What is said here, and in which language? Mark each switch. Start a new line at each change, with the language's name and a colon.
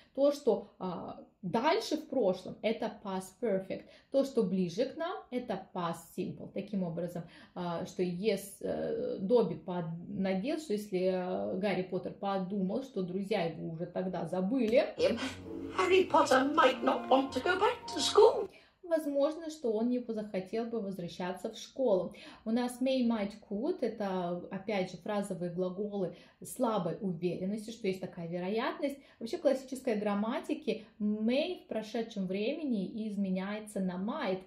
Russian: То, что дальше в прошлом, это past perfect. То, что ближе к нам, это past simple. Таким образом, что Добби надеялся, что если Гарри Поттер подумал, что друзья его уже тогда забыли,
English: Harry Potter might not want to go back to school.
Russian: Возможно, что он не захотел бы возвращаться в школу. У нас may, might, could – это, опять же, фразовые глаголы слабой уверенности, что есть такая вероятность. Вообще, в классической грамматике may в прошедшем времени изменяется на might.